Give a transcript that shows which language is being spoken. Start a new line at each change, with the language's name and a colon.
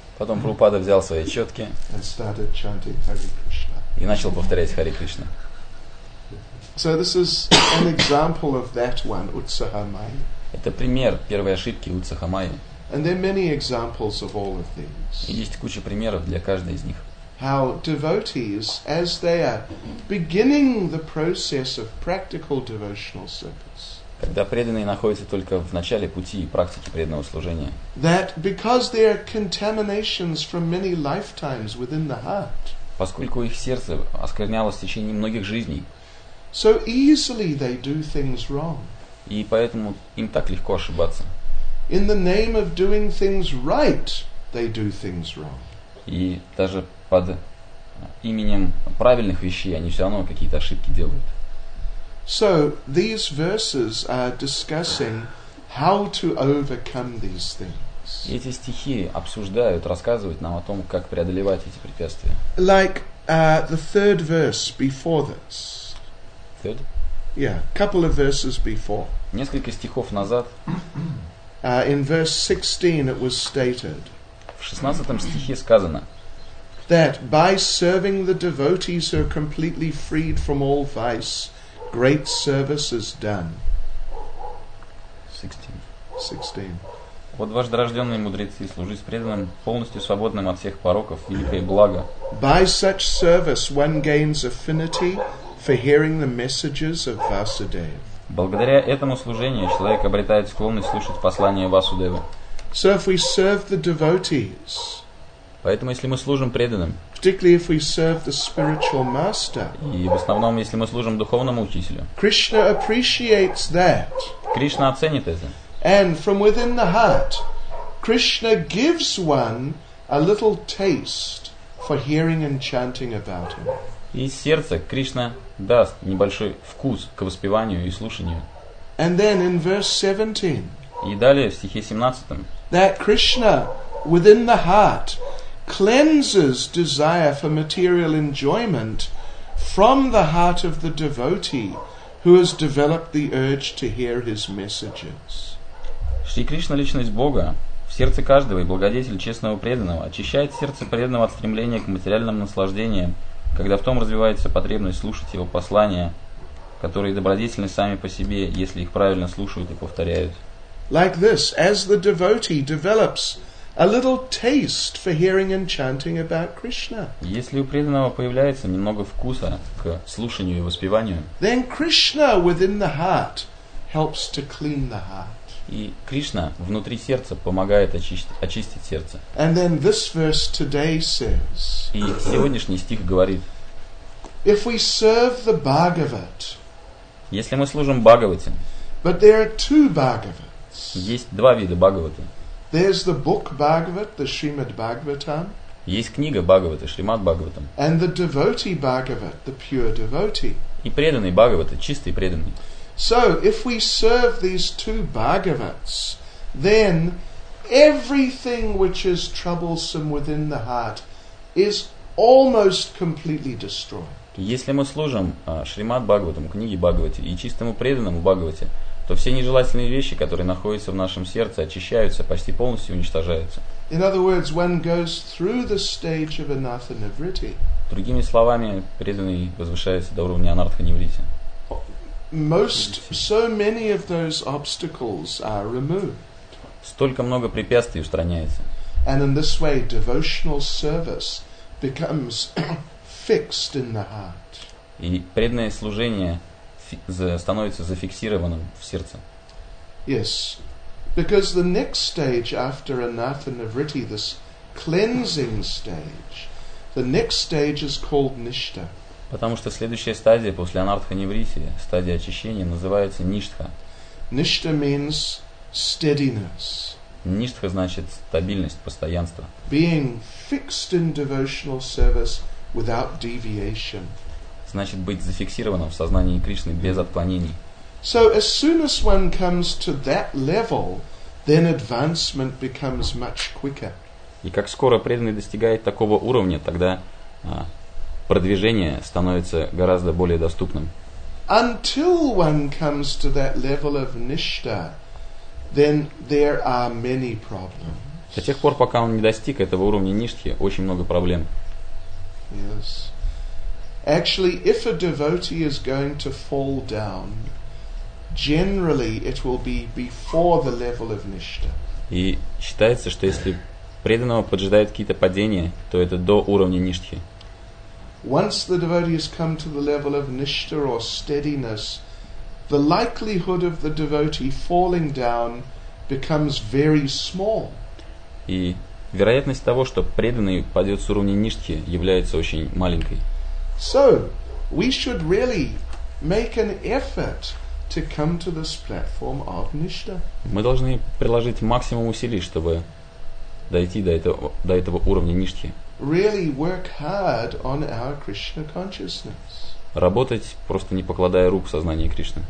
Russian: Потом Прабхупада взял свои четки.
English: And started chanting Hare Krishna.
Russian: И начал повторять Харе Кришна.
English: So this is an example of that one, Utsahamaya.
Russian: Это пример первой ошибки Утсахамаи.
English: And there are many examples of all of these.
Russian: Есть куча примеров для каждой из них.
English: How devotees, as they are beginning the process of practical devotional service,
Russian: когда преданные находятся только в начале пути и практики преданного служения,
English: that because there are contaminations from many lifetimes within the heart,
Russian: поскольку их сердце осквернялось в течение многих жизней,
English: so easily they do things wrong,
Russian: и поэтому им так легко ошибаться.
English: In the name of doing things right, they do things wrong.
Russian: И даже под именем правильных вещей они все равно какие-то ошибки делают.
English: So these verses are discussing how to overcome these things.
Russian: Эти стихи обсуждают, рассказывают нам о том, как преодолевать эти препятствия.
English: Like the third verse before this. Third? Yeah, couple of verses before.
Russian: Несколько стихов назад.
English: In verse 16 it was stated.
Russian: В 16 стихе сказано.
English: That by serving the devotees who are completely freed from all vice, great service is done. 16.
Russian: Вот ваш дорожденный мудрец и служит преданным полностью свободным от всех пороков великое благо.
English: By such service, one gains affinity for hearing the messages of Vasudeva.
Russian: Благодаря этому служению человек обретает склонность слушать послания Васудевы.
English: So if we serve the devotees.
Russian: Поэтому, если мы служим преданным,
English: particularly if we serve the spiritual master,
Russian: и в основном, если мы служим духовному учителю,
English: Krishna appreciates that.
Russian: Кришна оценит это.
English: And from within the heart, Krishna gives one a little taste for hearing and chanting about him.
Russian: Из сердца Кришна даст небольшой вкус к воспеванию и слушанию.
English: And then in verse 17,
Russian: и далее в стихе 17,
English: that Krishna within the heart cleanses desire for material enjoyment from the heart of the devotee who has developed the urge to hear his messages.
Russian: Шри Кришна, личность Бога, в сердце каждого и благодетель честного преданного очищает сердце преданного от стремления к материальным наслаждениям, когда в том развивается потребность слушать его послания, которые добродетельны сами по себе, если их правильно слушают и повторяют.
English: Like this, as the devotee develops a little taste for hearing and chanting about Krishna.
Russian: Если у преданного появляется немного вкуса к слушанию и воспеванию,
English: then Krishna within the heart helps to clean the heart.
Russian: И Кришна внутри сердца помогает очистить сердце.
English: And then this verse today says.
Russian: И сегодняшний стих говорит.
English: If we serve the Bhagavat.
Russian: Если мы служим Бхагавате.
English: But there are two Bhagavats.
Russian: Есть два вида Бхагаваты.
English: There's the book Bhagavat, the Srimad Bhagavatam.
Russian: Есть книга Бхагавата, Шримад Бхагаватам.
English: And the devotee Bhagavat, the pure devotee.
Russian: И преданный Бхагавата, чистый преданный.
English: So, if we serve these two Bhagavats, then everything which is troublesome within the heart is almost completely destroyed.
Russian: Если мы служим Шримад Бхагаватам, книге Бхагавате и чистому преданному Бхагавате, то все нежелательные вещи, которые находятся в нашем сердце, очищаются, почти полностью уничтожаются.
English: In other words, one goes through the stage of anartha nivritti.
Russian: Другими словами, преданный возвышается до уровня анартха нивритти.
English: Most, so many of those obstacles are removed.
Russian: Столько много препятствий устраняется.
English: And in this way, devotional service becomes fixed in the heart.
Russian: И преданное служение становится зафиксированным в сердце.
English: Yes, because the next stage after anartha nivritti, this cleansing stage, the next stage is called nishtha.
Russian: Потому что следующая стадия после анартха нивритти, стадия очищения, называется ништха.
English: Nishtha means steadiness.
Russian: Ништха значит стабильность, постоянство.
English: Being fixed in devotional service without deviation.
Russian: Значит быть зафиксированным в сознании Кришны без отклонений.
English: So as soon as one comes to that level, then advancement becomes much quicker.
Russian: И как скоро преданный достигает такого уровня, тогда продвижение становится гораздо более доступным.
English: Until one comes to that level of nishtha, then there are many problems.
Russian: До тех пор, пока он не достиг этого уровня ништхи, очень много проблем.
English: Yes. Actually, if a devotee is going to fall down, generally it will be before the level of nishtha.
Russian: И считается, что если преданного поджидают какие-то падения, то это до уровня ништхи.
English: Once the devotee has come to the level of nishtha or steadiness, the likelihood of the devotee falling down becomes very small.
Russian: И вероятность того, что преданный падет с уровня ништхи, является очень маленькой.
English: So, we should really make an effort to come to this platform of nishtha.
Russian: Мы должны приложить максимум усилий, чтобы дойти до этого уровня ништхи.
English: Really work hard on our Krishna consciousness.
Russian: Работать, просто не покладая рук в сознании Кришны.